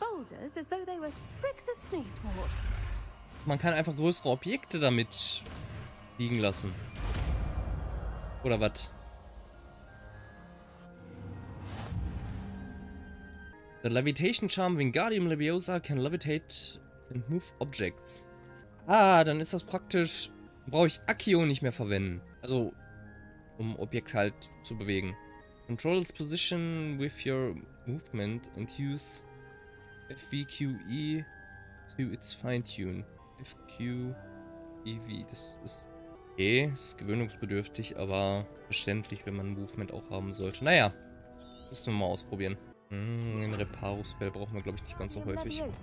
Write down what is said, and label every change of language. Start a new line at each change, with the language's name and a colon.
English: Pick up boulders as though they were sprigs of sneezewort.
German: Man kann einfach größere Objekte damit liegen lassen. Oder was?
English: The Levitation Charm Wingardium Leviosa can levitate and move objects.
German: Ah, dann ist das praktisch. Brauche ich Accio nicht mehr verwenden. Also, um Objekt halt zu bewegen.
English: Control its position with your movement and use FVQE to its fine-tune.
German: FQEV, das ist okay, ist gewöhnungsbedürftig, aber verständlich, wenn man Movement auch haben sollte. Naja, müssen wir mal ausprobieren. Den Reparo-Spell brauchen wir, glaube ich, nicht ganz so häufig.